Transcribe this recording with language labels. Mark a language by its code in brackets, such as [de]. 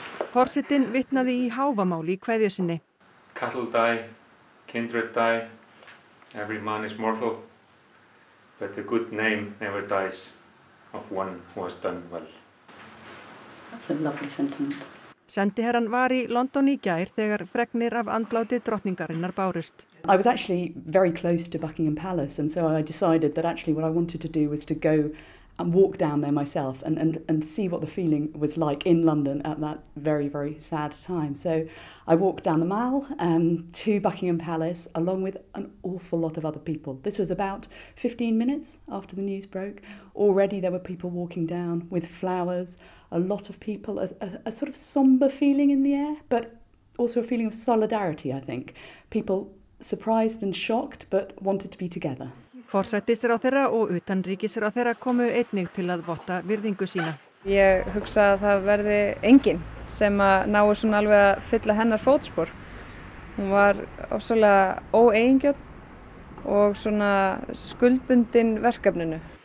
[is] Forsetin vitnaði í hávamáli í kveðju sinni. [en] Cattle die, kindred die, every man is mortal, but the good name never dies of one who has done well. That's a lovely sentiment. [is] Sendiherrann var í London í gær þegar fregnir af andláti drottningarinnar bárust. [en] I was actually very close to Buckingham Palace and so I decided that actually what I wanted to do was to go and walk down there myself and see what the feeling was like in London at that very very sad time. So I walked down the Mall to Buckingham Palace along with an awful lot of other people. This was about 15 minutes after the news broke. Already there were people walking down with flowers. A lot of people, a sort of somber feeling in the air, but also a feeling of solidarity, I think. People surprised and shocked, but wanted to be together. [is] Forsætisráðherra og utanríkisráðherra komu einnig til að votta virðingu sína. Ég hugsa að það verði engin sem að náu svona alveg að fylla hennar fótspor. Hún var ofsalega óeigingjörn og svona skuldbundin verkefninu.